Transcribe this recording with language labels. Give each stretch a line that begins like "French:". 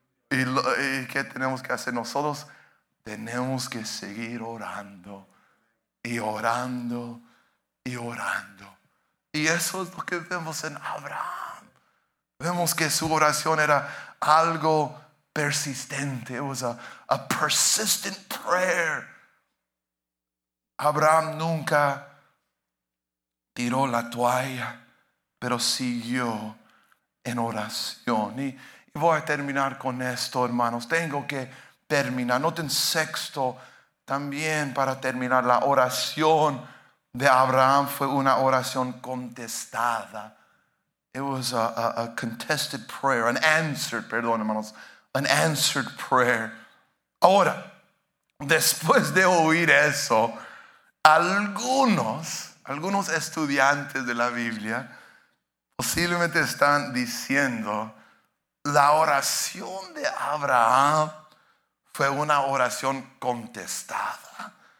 Spanish: ¿Y qué tenemos que hacer? Nosotros tenemos que seguir orando y orando y orando. Y eso es lo que vemos en Abraham. Vemos que su oración era algo persistente.
English: It was a persistent prayer.
Spanish: Abraham nunca tiró la toalla, pero siguió en oración. Y voy a terminar con esto, hermanos. Tengo que terminar. Noten sexto también para terminar. La oración de Abraham fue una oración contestada.
English: It was a contested prayer, an answered,
Spanish: perdón hermanos,
English: an answered prayer.
Spanish: Ahora, después de oír eso, algunos estudiantes de la Biblia posiblemente están diciendo, la oración de Abraham fue una oración contestada.